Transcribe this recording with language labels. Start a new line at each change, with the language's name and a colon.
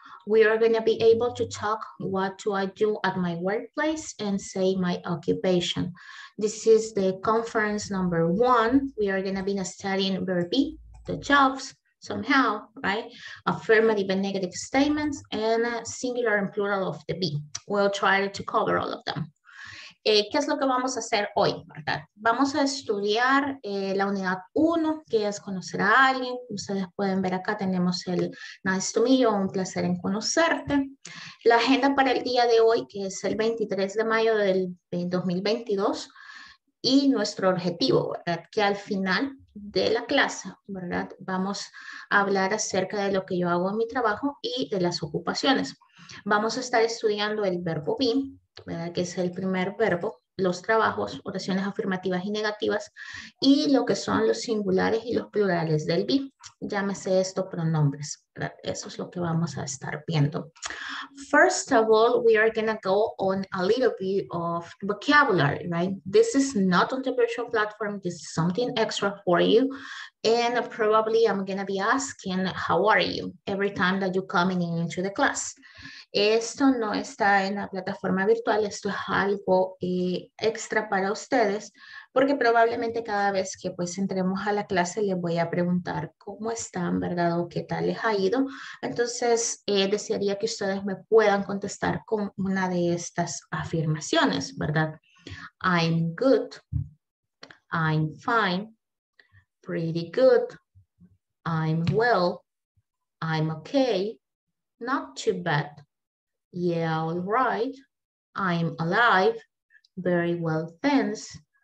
English: We are gonna be able to talk what do I do at my workplace and say my occupation. This is the conference number one. We are gonna be studying verb B, the jobs, somehow, right? Affirmative and negative statements and singular and plural of the B. We'll try to cover all of them.
Spanish: ¿Qué es lo que vamos a hacer hoy, verdad? Vamos a estudiar la unidad 1, que es conocer a alguien. Ustedes pueden ver acá, tenemos el
English: nice to meet you,
Spanish: un placer en conocerte. La agenda para el día de hoy, que es el 23 de mayo del 2022, y nuestro objetivo, ¿verdad? Que al final de la clase, ¿verdad? Vamos a hablar acerca de lo que yo hago en mi trabajo y de las ocupaciones. Vamos a estar estudiando el verbo be, ¿verdad? Que es el primer verbo, los trabajos, oraciones afirmativas y negativas, y lo que son los singulares y los plurales del be. Llámese esto pronombres, ¿verdad? Eso es lo que vamos a estar viendo.
English: First of all, we are going to go on a little bit of vocabulary, right? This is not on the virtual platform. This is something extra for you. And probably I'm going to be asking, how are you? Every time that you're coming into the class.
Spanish: Esto no está en la plataforma virtual, esto es algo extra para ustedes, porque probablemente cada vez que pues entremos a la clase les voy a preguntar cómo están, ¿verdad? O qué tal les ha ido. Entonces, desearía que ustedes me puedan contestar con una de estas afirmaciones, ¿verdad?
English: I'm good, I'm fine, pretty good, I'm well, I'm okay, not too bad. Yeah, all right. I'm alive. Very well, thanks.